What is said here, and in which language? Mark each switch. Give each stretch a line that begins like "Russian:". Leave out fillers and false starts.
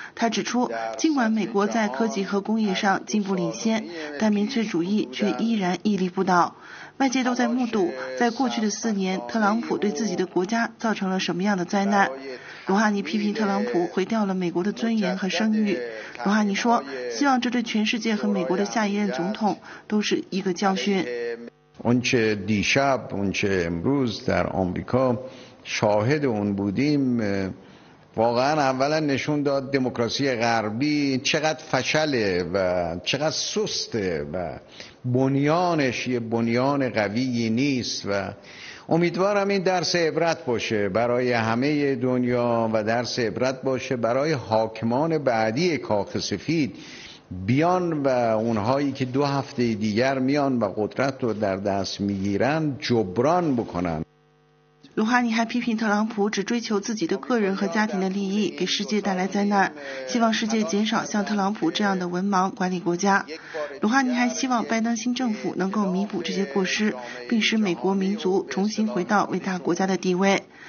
Chinese: 他指出，尽管美国在科技和工业上进步领先，但民粹主义却依然屹立不倒。外界都在目睹，在过去的四年，特朗普对自己的国家造成了什么样的灾难。鲁哈尼批评特朗普毁掉了美国的尊严和声誉。鲁哈尼说，希望这对全世界和美国的下一任总统都是一个教训。
Persian: اونچه دیشب اونچه امروز در آمریکا شاهد اون بودیم واقعا اولا نشون داد دموکراسی غربی چقدر فشله و چقدر سسته و بنیانش یه بنیان قویی نیست و امیدوارم این درس عبرت باشه برای همه دنیا و درس عبرت باشه برای حاکمان بعدی کاخ سفید بیان و اونهایی که دو هفته دیگر میان و قدرت رو در دست میگیرن جبران بکنن.
Chinese: 鲁哈尼还批评特朗普只追求自己的个人和家庭的利益，给世界带来灾难，希望世界减少像特朗普这样的文盲管理国家。鲁哈尼还希望拜登新政府能够弥补这些过失，并使美国民族重新回到伟大国家的地位。